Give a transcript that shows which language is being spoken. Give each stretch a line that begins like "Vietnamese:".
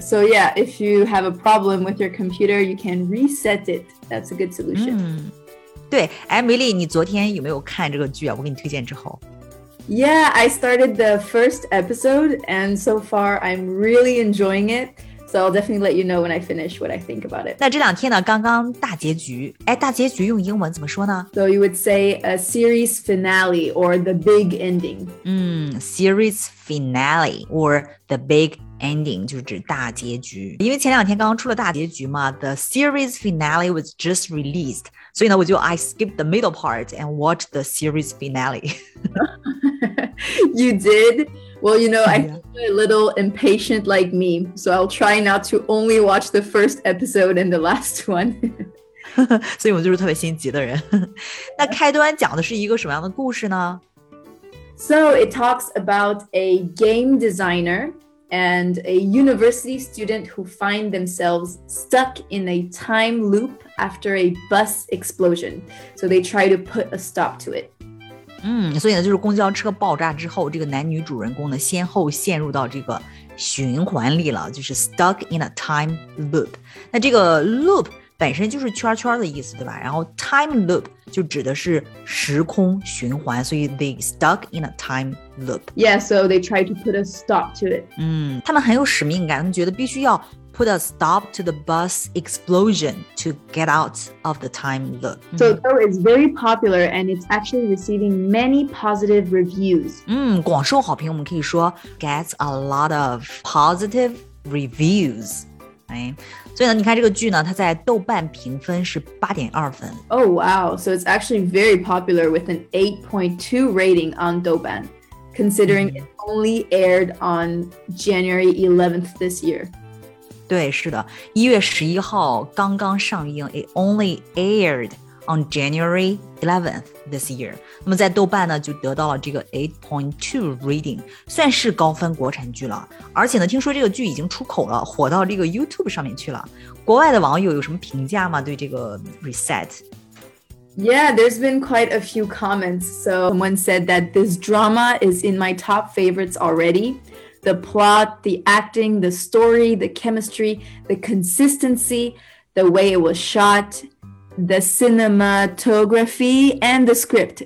English: So yeah, if you have a problem with your computer, you can reset it. That's a good solution.
Chinese: 对，哎，梅丽，你昨天有没有看这个剧啊？我给你推荐之后。
English: Yeah, I started the first episode, and so far I'm really enjoying it. So I'll definitely let you know when I finish what I think about it.
Chinese: 那这两天呢，刚刚大结局。哎，大结局用英文怎么说呢
English: ？So you would say a series finale or the big ending. Series finale or the big ending
Chinese: 就是指大结局。因为前两天刚刚出了大结局嘛 ，
English: the series finale was just released.
Chinese: 所以呢，我就
English: I skipped the middle part and watched the series finale. You did? Well, you know, I'm a little impatient like me, so I'll try not to only watch the first episode and the last one.
Chinese: 所以我就是特别心急的人。那开端讲的是一个什么样的故事呢
English: ？So it talks about a game designer and a university student who find themselves stuck in a time loop. After a bus explosion, so they try to put a stop to it.
Chinese: 所以呢，就是公交车爆炸之后，这个男女主人公呢，先后陷入到这个循环里了，就是
English: stuck in a time loop.
Chinese: 那这个 loop 本身就是圈圈的意思，对吧？然后 time loop 就指的是时空循环，所以
English: they stuck in a time loop. Yeah, so they try to put a stop to it.
Chinese: 他们很有使命感，他们觉得必须要。
English: Put a stop to the bus explosion to get out of the time loop. So it's very popular and it's actually receiving many positive reviews.
Chinese: 广受好评，我们可以说
English: gets a lot of positive reviews.
Chinese: 所以呢，你看这个剧呢，它在豆瓣评分是 8.2 分。
English: Oh wow! So it's actually very popular with an 8.2 rating on 豆瓣 considering it only aired on January 11th this year.
Chinese: 对，是的，一月十一号刚刚上映 ，
English: It only aired on January 11th this year。
Chinese: 那么在豆瓣呢，就得到了这个 8.2 rating， 算是高分国产剧了。而且呢，听说这个剧已经出口了，火到这个 YouTube 上面去了。国外的网友有什么评价吗？对这个 Reset？
English: Yeah, there's been quite a few comments. So someone said that this drama is in my top favorites already. The plot, the acting, the story, the chemistry, the consistency, the way it was shot, the cinematography, and the script.